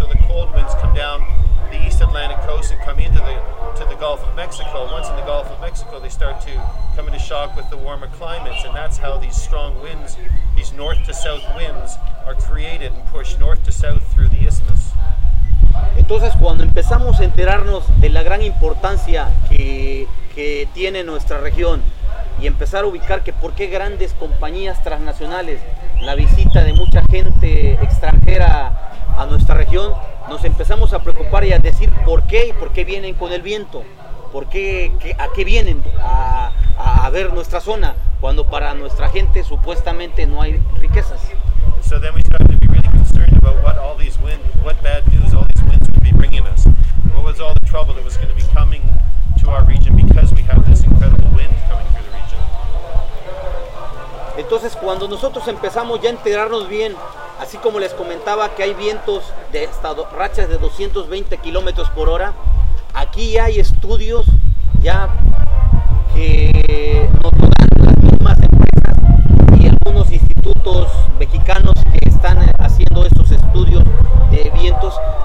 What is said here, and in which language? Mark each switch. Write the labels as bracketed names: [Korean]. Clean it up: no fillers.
[English] So the cold winds come down the East Atlantic coast and come into the Gulf of Mexico. Once in the Gulf of Mexico, they start to come into shock with the warmer climates, and that's how these strong winds, these north to south winds, are created and pushed north to south through the isthmus. [Spanish] Entonces, cuando empezamos a enterarnos de la gran importancia que tiene nuestra región y empezar a ubicar que por qué grandes compañías transnacionales, la visita de mucha gente extranjera a nuestra región, nos empezamos a preocupar y a decir por qué vienen con el viento, a qué vienen a ver nuestra zona, cuando para nuestra gente supuestamente no hay riquezas. [English] So then we started to be really concerned about what all these winds, what bad news all these winds would be bringing us. What was all the trouble that was going to be coming to our region because we have this incredible wind coming through the region. [Spanish] Entonces, cuando nosotros empezamos ya a enterarnos bien, así como les comentaba que hay vientos de hasta rachas de 220 kilómetros por hora, aquí ya hay estudios ya que nos lo dan las mismas empresas y algunos institutos mexicanos que están haciendo estos estudios de vientos.